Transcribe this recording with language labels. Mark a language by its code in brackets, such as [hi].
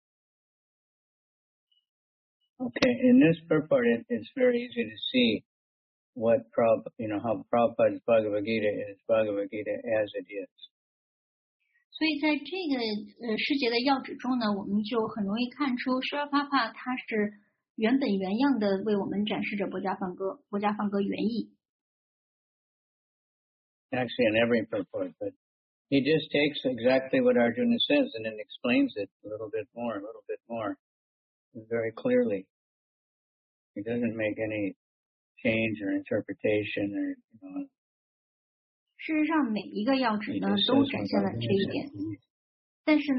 [zh] 它高于这个物质自然中的一切受制约的灵魂，也高于物质宇宙展示本身，所以它是最伟大的至尊者。所以在这里面的解释是非常详尽的。 [en] Okay, in this purport, it's very easy to see what how Prabhupada's Bhagavad Gita is Bhagavad Gita as it is. [zh] 所以在这个世界的要旨中呢，我们就很容易看出，释迦牟尼佛他是原本原样的为我们展示着《波迦梵歌》《波迦梵歌原意》。 [en] Actually, in every purport, but he just takes exactly what Arjuna says and then explains it a little bit more, very clearly. He doesn't make any change or interpretation or, [zh] 事实上，每一个要旨呢，都展现了这一点。